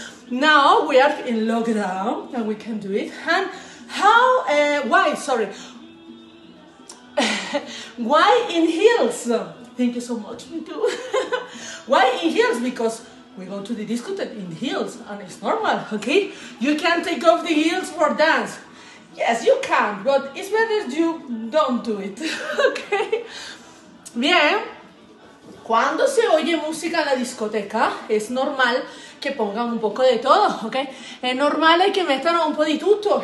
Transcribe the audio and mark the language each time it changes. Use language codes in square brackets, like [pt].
[en] Now we are in lockdown and we can do it. And how, why in heels? Thank you so much, me too. Why in heels? Because we go to the discotheque in heels and it's normal, okay? You can take off the heels for dance. Yes, you can, but it's better you don't do it, okay? [es] Bien, cuando se oye música en la discoteca, es normal que pongan un poco de todo, ok? Es normal que metan [it] un po' di tutto.